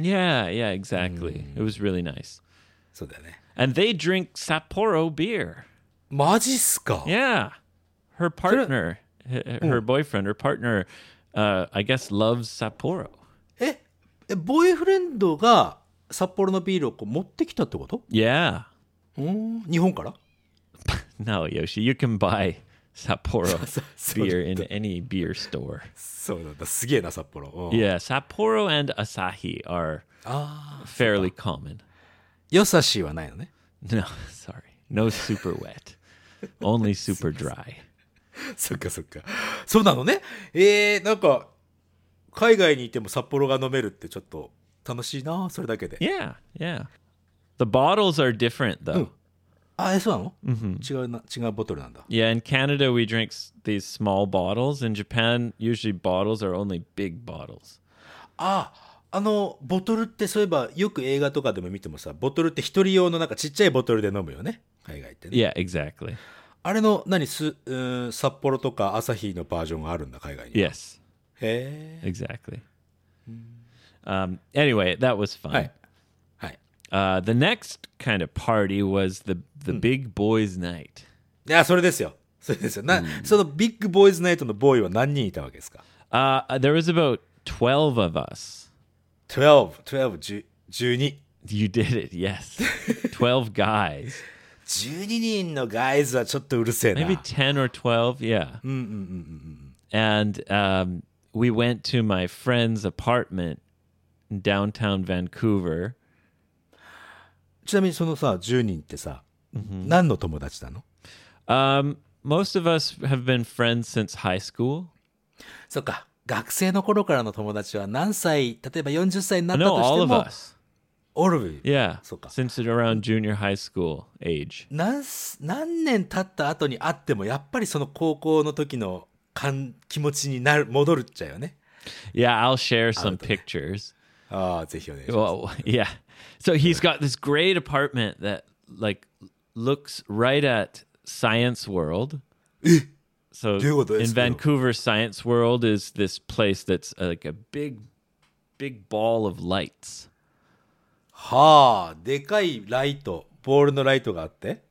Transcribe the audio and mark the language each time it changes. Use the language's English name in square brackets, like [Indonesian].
[English] Yeah, yeah, exactly. It was really nice. [Japanese] そうだよね。 [English] And they drink Sapporo beer. [Japanese] マジっすか? [English] Yeah. Her partner, her boyfriend, her partner, I guess loves Sapporo. [Japanese] え、ボーイフレンドが札幌のビールをこう持ってきたってこと? [English] Yeah. [Japanese] 日本から? [English] No, Yoshi, you can buy... Sapporo beer in any beer store. [Japanese] そうなんだ。すげえな、札幌。 [English] Yeah, Sapporo and Asahi are fairly common. [Japanese] よさしはないのね。 [English] No, sorry. No super wet. Only super dry. [Japanese] そっかそっか。そうなのね。なんか、海外にいても札幌が飲めるってちょっと楽しいな、それだけで。 [English] Yeah, yeah. The bottles are different, though. Ah, so? Mm-hmm. Yeah, in Canada, we drink these small bottles. In Japan, usually bottles are only big bottles. [Japanese] Ah, あのボトルってそういえばよく映画とかでも見てもさ、ボトルって一人用のなんかちっちゃいボトルで飲むよね、海外ってね。 [English] Yeah, exactly. [Japanese] あれの何す、札幌とかアサヒのバージョンがあるんだ、海外に。 [English] Yes. [Japanese] へえ。 [English] Exactly. Anyway, that was fun. [Japanese] はい。はい。 [English] The next kind of party was the big boys' night. [Japanese] いや、それですよ。それですよ。な、そのビッグボーイズナイトのボーイは何人いたわけですか？ [English] There was about 12 of us. 12. You did it, yes. 12 guys. 12人の guys はちょっとうるせえな。 Maybe 10 or 12, yeah. And we went to my friend's apartment in downtown Vancouver. [Japanese] ちなみにそのさ、10人ってさ、何の友達なの？ [English] Most of us have been friends since high school. [Japanese] そっか。学生の頃からの友達は何歳、例えば40歳になったとしても、 [English] no, all of us. All of you. Yeah. [Japanese] そうか。 [English] Since around junior high school age. [Japanese] 何年経った後に会っても、やっぱりその高校の時の気持ちになる戻るっちゃうよね。 [English] Yeah, I'll share some pictures. [Japanese] ああ、ぜひお願いします。 [English] Well, yeah. So he's got this great apartment that like looks right at Science World. So in Vancouver, Science World is this place that's like a big, big ball of lights. [Japanese] はあ、でかいライト、ボールのライトがあって。